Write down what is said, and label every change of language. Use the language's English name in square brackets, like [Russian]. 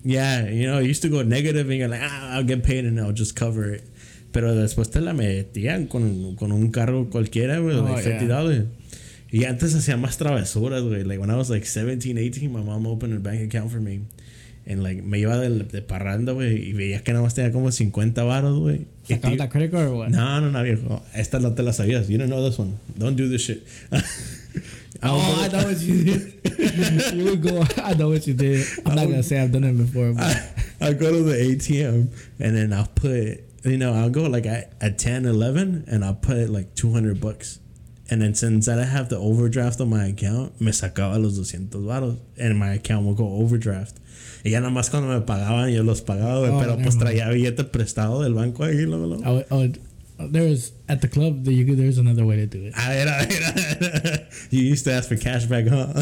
[English] Yeah, you know, it used to go negative and you're like, I'll get paid and I'll just cover it. [Spanish] Pero después te la metían con un cargo cualquiera, güey, de $50. [English] Y antes hacía más travesuras, güey. Like, when I was, like, 17, 18, my mom opened a bank account for me. [Spanish] And, like, me iba de parranda, güey. Y veía que nada más tenía como $50, güey. ¿Sacaron la credit card o what? [English] No, viejo. Esta no te la sabías. You don't know this one. Don't do this shit. I know what you did. You go, I know what you did. I'm not going to say I've done it before. I go to the ATM and then I'll put... You know, I'll go like at 10, 11, and I'll put like $200 And then since I have the overdraft on my account, me sacaba los 200 baros. And my account will go overdraft. [Spanish] Y ya nada más cuando me pagaban, yo los pagaba. Oh, pero pues traía billete prestado del banco ahí. Lo, lo. [English] There's at the club, there's another way to do it. You used to ask for cash back, huh?